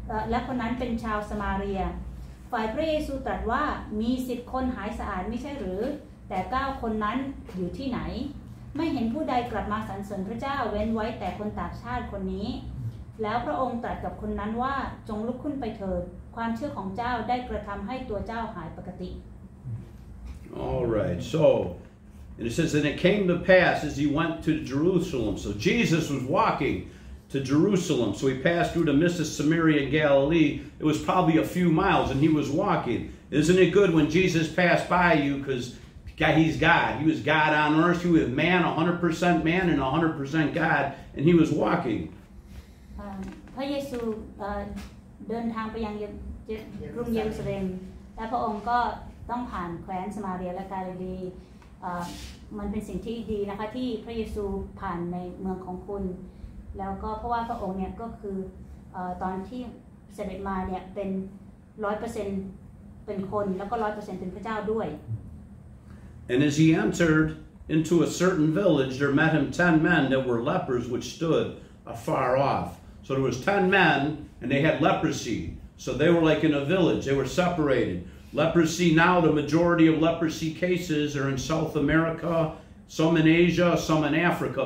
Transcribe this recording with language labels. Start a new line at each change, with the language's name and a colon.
Thai: และคนนั้นเป็นชาวสมาเรียฝ่ายพระเยซูตรัสว่ามี10 คนหายสะอาดไม่ใช่หรือแต่9 คนนั้นอยู่ที่ไหนไม่เห็นผู้ใดกลับมาสรรเสริญพระเจ้าเว้นไว้แต่คนต่างชาติคนนี้แล้วพระองค์ตรัสกับคนนั้นว่าจงลุกขึ้นไปเถิดความเชื่อของเจ้าได้กระทำให้ตัวเจ้าหายปกติ
English: All right, so and it says, and it came to pass as he went to Jerusalem. So Jesus was walking to Jerusalem. So he passed through the midst of Samaria and Galilee. It was probably a few miles, and he was walking. Isn't it good when Jesus passed by you? Because he's God. He was God on earth. He was man, 100% man, and 100% God, and he was walking.
Thai: พระเยซูเดินทางไปยังกรุงเยรูซาเล็มและพระองค์ก็ต้องผ่านแคว้นสมาเรียและกาลิลีมันเป็นสิ่งที่ดีนะคะที่พระเยซูผ่านในเมืองของคุณแล้วก็เพราะว่าพระองค์เนี่ยก็คือตอนที่เสด็จมาเนี่ยเป็น 100% เป็นคนแล้วก็ 100% เป็นพระเจ้าด้วย
English: And as he entered into a certain village there met him 10 men that were lepers which stood afar offSo there was 10 men, and they had leprosy. So they were like in a village. They were separated. Leprosy now, the majority of leprosy cases are in South America, some in Asia, some in Africa.